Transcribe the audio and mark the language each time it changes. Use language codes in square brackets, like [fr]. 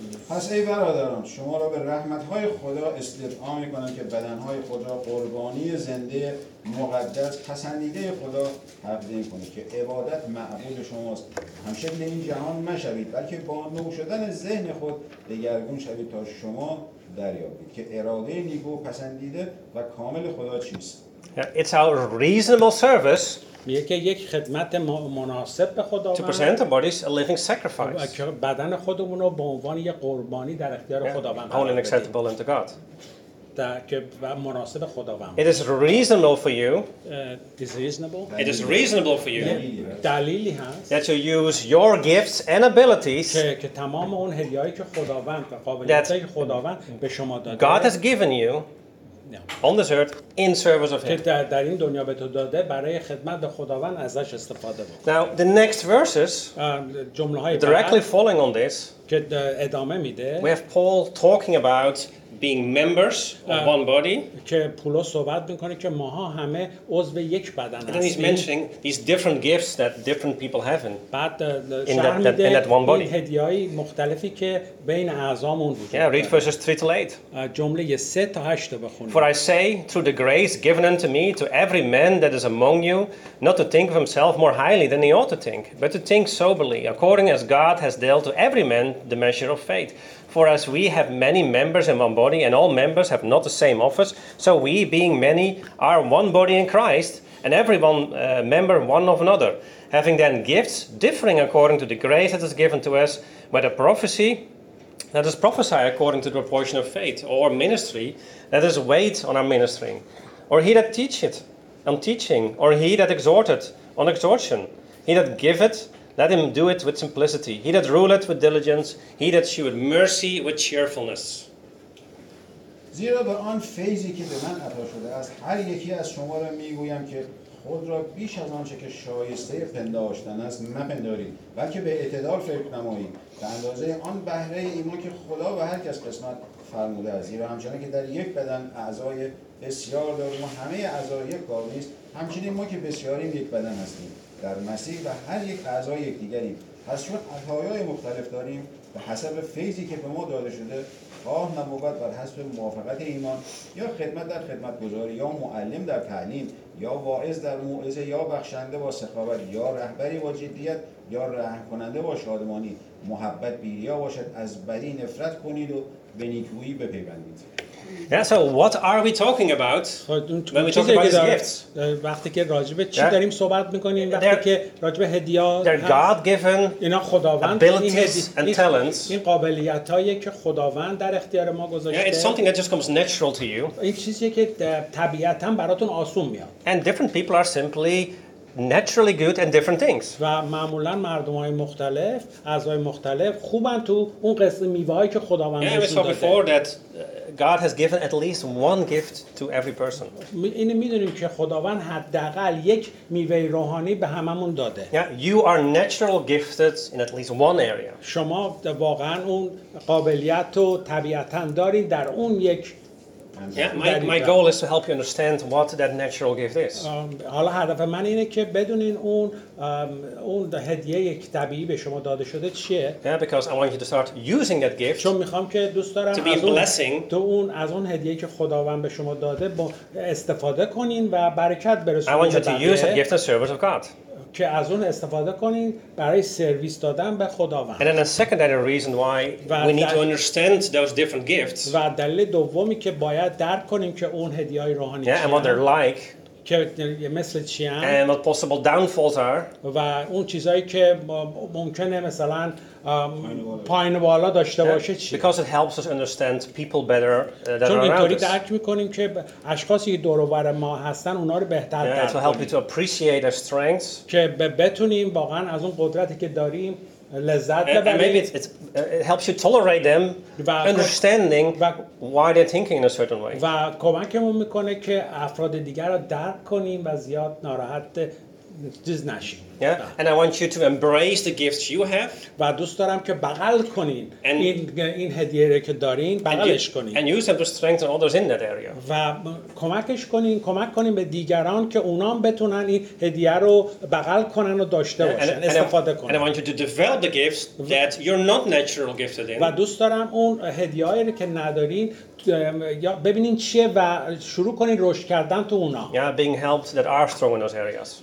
[fa] پس ای برادران شما را به رحمت‌های خدا استدعا می‌کنم که بدن‌های خود را قربانی زنده مقدس پسندیده خدا تقدیم کنید که عبادت معبود شماست همشکل این جهان مشوید بلکه با نو شدن ذهن خود دگرگون شوید تا شما دریابید که اراده نیکو پسندیده و کامل خدا چیست. [en] It's our reasonable service. [fa] میگه که یک خدمت مناسب به خدا [en] to present our bodies a living sacrifice. [fa] بدن خودمون رو به عنوان یک قربانی در اختیار خداوند قرار بدیم. [en] Acceptable unto God. [fa] که مناسب خداوند. [en] It is reasonable for you. It is reasonable for you. [fa] دلیلی هست. [en] That you use your gifts and abilities. [fa] که تمام اون هدیه‌ای که خداوند و قابلیتایی که خداوند به شما داده. [en] God has given you. Yeah. On this earth, in service of Him. [fa] که در این دنیا به تو داده برای خدمت به خداوند ازش استفاده بکنی. [en] Now the next verses, [fa] جمله‌های [en] directly following on this, [fa] که ادامه میده. [en] We have Paul talking about being members of one body. [fa] که پولس صحبت میکنه که ماها همه عضو یک بدن هستیم. [en] And he's mentioning these different gifts that different people have in. [fa] بعد [en] in that one body. [fa] هدیه‌های مختلفی که بین اعضامون وجود داره. [en] Yeah, read verses 3-8. [fa] جمله 3-8 رو بخونید. [en] For I say through the grace given unto me to every man that is among you not to think of himself more highly than he ought to think, but to think soberly, according as God has dealt to every man the measure of faith. For as we have many members in one body, and all members have not the same office, so we, being many, are one body in Christ, and every one member one of another. Having then gifts, differing according to the grace that is given to us, whether prophecy, let us prophesy according to the proportion of faith, or ministry, let us wait on our ministering, or he that teacheth, on teaching, or he that exhorteth, on exhortation, he that giveth, let him do it with simplicity. He that ruleth with diligence, he that sheweth mercy with cheerfulness. [fa] زیرا به آن فیضی که به من عطا شده است، هر یکی از شما را میگویم که خود را بیش از آنچه که شایسته پنداشتن است نپندارید، بلکه به اعتدال فکر نمایید. به اندازه آن بهره ایمان که خدا به هر کس قسمت فرموده است. زیرا همچنان که در یک بدن اعضای بسیار داریم و همه اعضای یک کار نیست، همچنین ما که بسیاریم یک بدن هستیم. در مسیح و هر یک اعضا یکدیگریم. پس چون عطایای مختلف داریم به حسب فیضی که به ما داده شده، خواه نبوت بر حسب موافقت ایمان، یا خدمت در خدمتگزاری، یا معلم در تعلیم، یا واعظ در موعظه، یا بخشنده با سخاوت، یا رهبری با جدیت، یا رحم کننده با شادمانی، محبت بیریا باشد، از بدی نفرت کنید و به نیکویی بپیوندید. [en] Yeah, so what are we talking about when we talk about his gifts? [fa] وقتی که راجع به چی داریم صحبت میکنیم، وقتی که راجع به هدیه‌ها، [en] they're God-given, [fa] اینا خداوند [en] and talents. [fa] این قابلیتایی که خداوند در اختیار ما گذاشته. [en] Yeah, it's something that just comes natural to you. [fa] این چیزیه که طبیعتاً براتون آسون میاد. [en] And different people are simply naturally good at different things. [fa] و معمولاً مردم‌های مختلف، اعضای مختلف خوبن تو اون قسمی میوه‌ای که خداوند نشون داده. [en] God has given at least one gift to every person. [fa] این می‌دونیم که خداوند حداقل یک میوه روحانی به هممون داده. [en] Yeah, you are natural gifted in at least one area. [fa] شما واقعا اون قابلیت رو طبیعتاً دارین در اون یک [en] my goal is to help you understand what that natural gift is. [fa] حالا هدف من اینه که بدونین اون اون هدیه طبیعی به شما داده شده چیه. [en] Yeah, because I want you to start using that gift. [fa] چون میخوام که دوست دارم تو اون از اون هدیه که خداوند به شما داده استفاده کنین و برکت برسونین. [en] I want you to use that gift as servant of God. [fa] که از اون استفاده کنین برای سرویس دادن به خداوند. [en] And then a secondary reason why we need to understand those different gifts. [fa] و دلیل دومی که باید درک کنیم که اون هدیه‌های روحانی چیه. [en] Yeah, and what they're like. [fa] که مثل چیان. [en] And what possible downfalls are. [fa] و اون چیزایی که ممکنه مثلا پایین بالا داشته باشه چی. [en] Because it helps us understand people better that are around us. [fa] چون اینطوری درک می‌کنیم که اشخاصی که دور و بر ما هستن اونا رو بهتر درک کنیم. [en] Yeah, to help you to appreciate their strengths. [fa] که بتونیم واقعا از اون قدرتی که داریم لذت ببریم. [en] And maybe it helps you tolerate them, understanding why they're thinking in a certain way. [fa] و کمکمون می‌کنه که افراد دیگر رو درک کنیم و زیاد ناراحت نشیم. [en] Yeah, and I want you to embrace the gifts you have. [fa] و دوست دارم که بغل کنین این هدیه رو که دارین بغلش کنین. [en] And use them to strengthen others in that area. [fa] و کمکش کنین، کمک کنین به دیگران که اونام بتونن این هدیه رو بغل کنن و داشته باشن، استفاده کنن. [en] And I want you to develop the gifts that you're not naturally gifted in. [fa] و دوست دارم اون هدیه‌ای رو که ندارین یا ببینین چیه و شروع کنین رشد کردن تو اونا. [en] Yeah, being helped that are strong in those areas.